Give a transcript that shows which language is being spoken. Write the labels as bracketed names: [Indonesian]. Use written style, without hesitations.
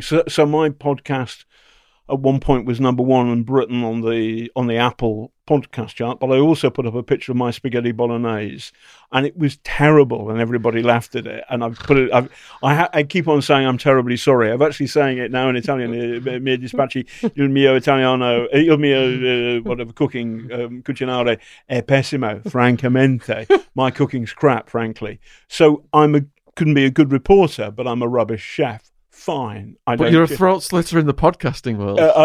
[English] So my podcast at one point was number one in Britain on the Apple podcast chart, but I also put up a picture of my spaghetti bolognese, and it was terrible, and everybody laughed at it. And I keep on saying I'm terribly sorry. I'm actually saying it now in Italian. [Italian] Mio dispiace, il mio italiano, il mio [English] whatever cooking [Italian] cucinare è pessimo, francamente. [English] My cooking's crap, frankly. So couldn't be a good reporter, but I'm a rubbish chef. Fine. But you're a throat slitter in the podcasting world.